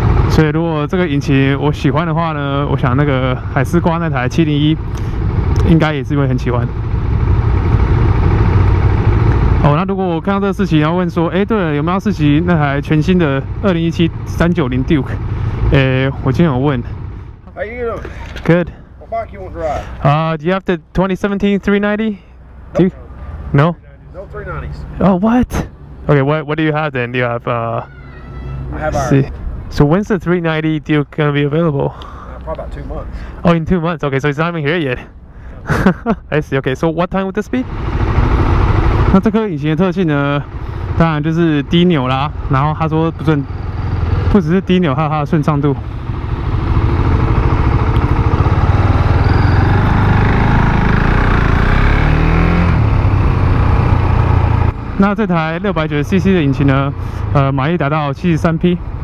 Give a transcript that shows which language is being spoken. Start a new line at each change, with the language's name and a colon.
Chinese: 所以如果这个引擎我喜欢的话呢，我想那个海丝瓜那台701应该也是会很喜欢。哦，那如果我看到这个试骑要问说，哎，对了，有没有试骑那台全新的2017 390 Duke？我今天有问。
English: How you doing? Good. What bike you want to ride? Do you have the 2017 390? No. No? No 390s. Oh, what? Okay, what do you have then? Do you have, I have ours. So when's the 390 deal going to be available? Probably about 2 months. Oh, in 2 months. Okay, so it's not even here yet. I see. Okay, so what time would this be?
Chinese: 那这颗引擎的特性呢？当然就是低扭啦。然后他说不准，不只是低扭，还有它的顺畅度。那这台690cc 的引擎呢？马力达到73匹。